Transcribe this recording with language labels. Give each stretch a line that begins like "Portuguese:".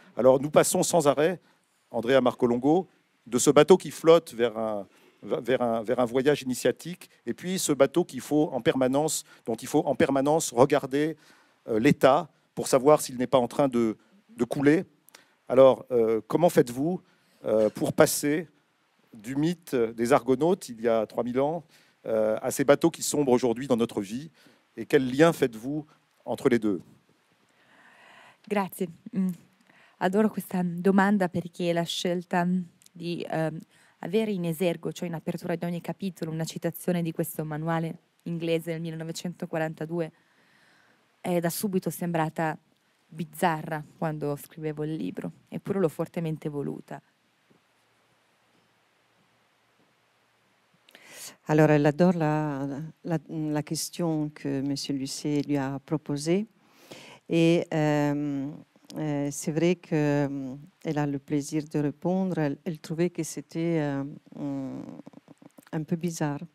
French: Alors nous passons sans arrêt, Andrea Marcolongo, de ce bateau qui flotte vers un voyage initiatique et puis ce bateau dont il faut en permanence regarder l'état pour savoir s'il n'est pas en train de couler. Alors, comment faites-vous pour passer du mythe des Argonautes, il y a 3000 ans, à ces bateaux qui sombrent aujourd'hui dans notre vie? Et quel lien faites-vous entre les deux?
Italian: Grazie. Adoro questa domanda perché la scelta di avere in esergo, cioè in apertura di ogni capitolo, una citazione di questo manuale inglese del 1942 è da subito sembrata bizzarra quando scrivevo il libro, eppure l'ho fortemente voluta.
French: Allora, elle adore la question que Monsieur Lucet lui a proposée, et c'est vrai que elle a le plaisir de répondre. Elle trouvait que c'était un peu bizarre.